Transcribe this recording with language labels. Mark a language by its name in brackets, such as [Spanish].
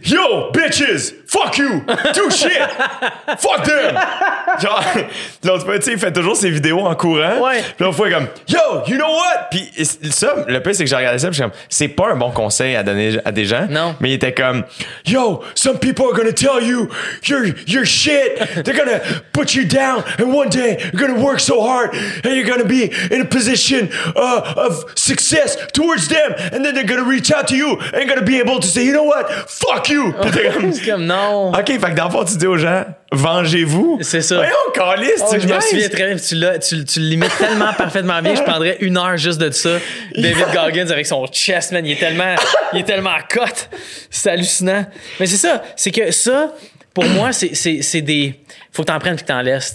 [English] « Yo, bitches! Fuck you! Do shit! Fuck them! [French] » Genre, l'autre fois, tu sais, il fait toujours ses vidéos en courant. Ouais. Puis l'autre fois, il est comme « [English] Yo, you know what? [French] » Puis ça, le pire, c'est que j'ai regardé ça puis je suis comme « C'est pas un bon conseil à donner à des gens. » Non. Mais il était comme [English] « Yo, some people are gonna tell you you're shit. They're gonna put you down and one day you're gonna work so hard and you're gonna be in a position of success towards them and then they're gonna reach out to you and gonna be able to say you know what fuck you. » [French] Puis t'es comme, c'est comme non, ok, fait que dans le fond tu dis aux gens vengez-vous, c'est ça, voyons calice. Oh, tu je me souviens très bien, tu l'imites tellement parfaitement bien, je prendrais une heure juste de ça. David Goggins avec son chest, man, il est tellement à cote, c'est hallucinant. Mais c'est ça, c'est que ça pour moi c'est des, faut que t'en prennes puis que t'en laisses.